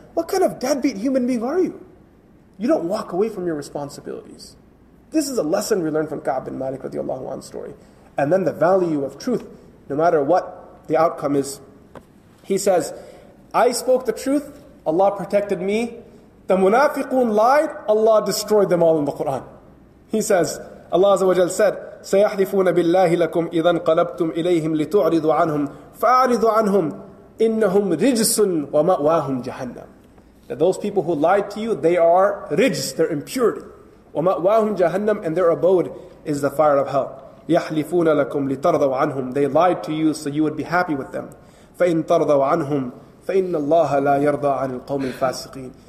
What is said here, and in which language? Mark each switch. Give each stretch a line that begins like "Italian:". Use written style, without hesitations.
English: What kind of deadbeat human being are you? You don't walk away from your responsibilities. This is a lesson we learned from Ka'b bin Malik radiallahu anhu's story. And then the value of truth, no matter what the outcome is. He says, I spoke the truth, Allah protected me. The munafiqun lied, Allah destroyed them all in the Quran. He says,
Arabic: Allah Azza wa Jal said, سَيَحْلِفُونَ بِاللَّهِ لَكُمْ إِذَا انْقَلَبْتُمْ إِلَيْهِمْ لِتُعْرِضُ عَنْهُمْ فَأَعْرِضُ عَنْهُمْ إِنَّهُمْ رِجْسٌ وَمَأْوَاهُمْ جَهَنَّمُ.
English: That those people who lied to you, they are rijs, they're impurity.
Arabic: وَمَأْوَاهُمْ جَهَنَّمُ,
English: and their abode is the fire of hell.
Arabic: يَحْلِفُونَ لَكُمْ لِتَرْضَوْا عَنْهُمْ.
English: They lied to you so you would be happy with them.
Arabic: فَإِنْ تَرْضَوْا عَنْهُمْ فَإِنَّ اللَّهَ لَا يَرْضَى عَنِ الْقَوْمِ الْفَاسِقِينَ.